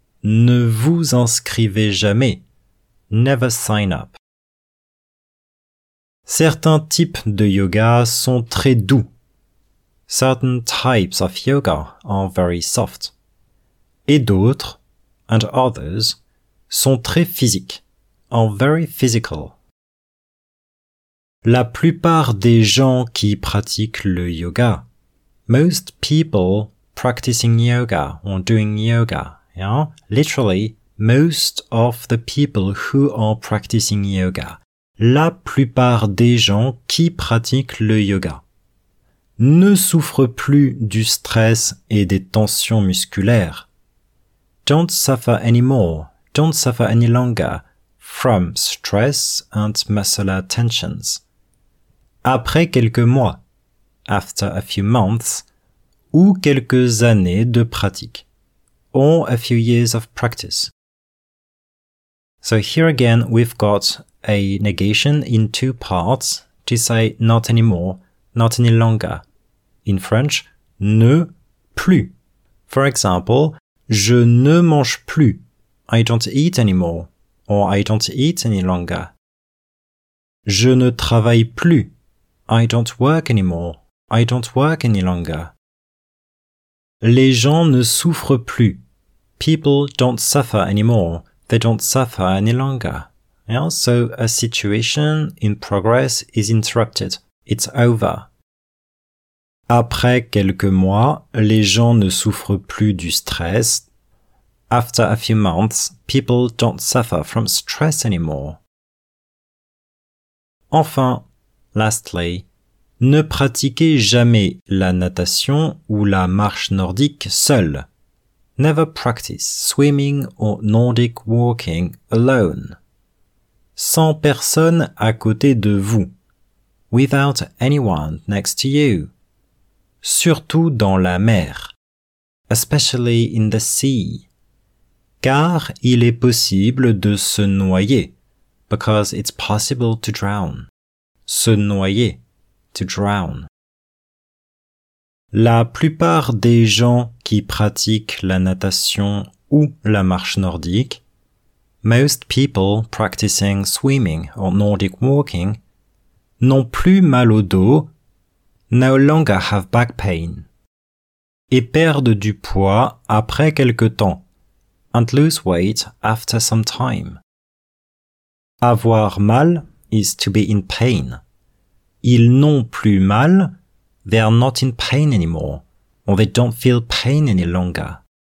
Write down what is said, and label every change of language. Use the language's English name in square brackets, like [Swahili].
[French] Ne vous inscrivez jamais. [English] Never sign up. [French] Certains types de yoga sont très doux. [English] Certain types of yoga are very soft. [French] Et d'autres, [English] and others, [French] sont très physiques, [English] are very physical. [French] La plupart des gens qui pratiquent le yoga, [English] most people practicing yoga or doing yoga, yeah? Literally, most of the people who are practicing yoga. [French] La plupart des gens qui pratiquent le yoga ne souffrent plus du stress et des tensions musculaires. [English] Don't suffer anymore, don't suffer any longer from stress and muscular tensions. [French] Après quelques mois, [English] after a few months, [French] ou quelques années de pratique, [English] or a few years of practice. So here again we've got a negation in two parts to say not anymore, not any longer. In French, [French] ne plus. [English] For example, [French] je ne mange plus. [English] I don't eat anymore. Or I don't eat any longer. [French] Je ne travaille plus. [English] I don't work anymore. I don't work any longer. [French] Les gens ne souffrent plus. [English] People don't suffer anymore. They don't suffer any longer. Yeah, so a situation in progress is interrupted. It's over. [French] Après quelques mois, les gens ne souffrent plus du stress. [English] After a few months, people don't suffer from stress anymore. [French] Enfin, lastly, ne pratiquez jamais la natation ou la marche nordique seul. [English] Never practice swimming or Nordic walking alone. [French] Sans personne à côté de vous. [English] Without anyone next to you. [French] Surtout dans la mer. [English] Especially in the sea. [French] Car il est possible de se noyer. [English] Because it's possible to drown. [French] Se noyer. [English] To drown. [French] La plupart des gens qui pratiquent la natation ou la marche nordique, [English] most people practicing swimming or Nordic walking, [French] n'ont plus mal au dos, [English] no longer have back pain, [French] et perdent du poids après quelque temps, [English] and lose weight after some time. Avoir mal is to be in pain. [French] Ils n'ont plus mal. [English] They are not in pain anymore, or they don't feel pain any longer.